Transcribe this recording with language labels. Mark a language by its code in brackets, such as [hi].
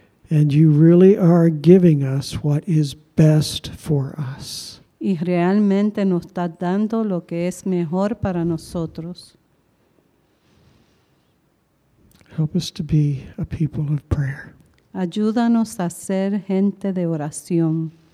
[en] And you really are giving us what is best for us. [es] Y realmente nos estás dando lo que es mejor para nosotros. [en] Help us to be a people of prayer. [es] Ayúdanos a ser gente de oración.